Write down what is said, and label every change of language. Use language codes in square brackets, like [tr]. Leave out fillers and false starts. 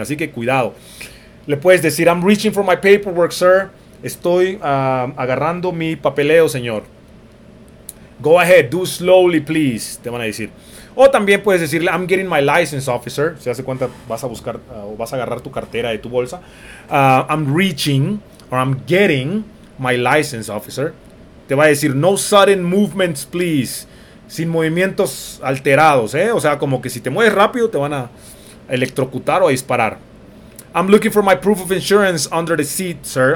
[es] Así que cuidado. Le puedes decir, [en] I'm reaching for my paperwork, sir. [es] Estoy agarrando mi papeleo, señor. [en] Go ahead, do slowly, please, [es] te van a decir. O también puedes decirle, [en] I'm getting my license, officer. [es] Si hace cuenta, vas a buscar o vas a agarrar tu cartera de tu bolsa. [en] I'm reaching or I'm getting my license, officer. [es] Te va a decir, [en] no sudden movements, please. [es] Sin movimientos alterados, ¿eh? O sea, como que si te mueves rápido, te van a electrocutar o a disparar. [en] I'm looking for my proof of insurance under the seat, sir.